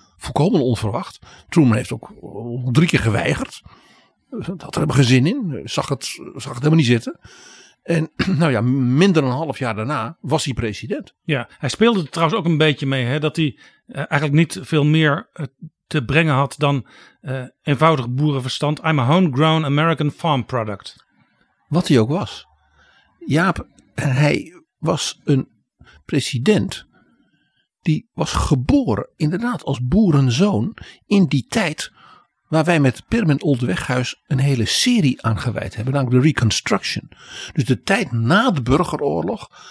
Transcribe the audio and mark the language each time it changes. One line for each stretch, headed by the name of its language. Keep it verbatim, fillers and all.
Dutch: Volkomen onverwacht. Truman heeft ook drie keer geweigerd. Uh, had er helemaal geen zin in. Zag het, zag het helemaal niet zitten. En nou ja, minder dan een half jaar daarna was hij president. Ja, hij speelde er trouwens ook een beetje mee. Hè, dat hij uh, eigenlijk niet veel meer uh, te brengen had dan uh, eenvoudig boerenverstand.
English: I'm a homegrown American farm product.
Dutch: Wat hij ook was. Jaap, hij was een president. Die was geboren inderdaad als boerenzoon. In die tijd waar wij met Pirmin Oldeweghuis een hele serie aan gewijd hebben. Namelijk de Reconstruction. Dus de tijd na de burgeroorlog.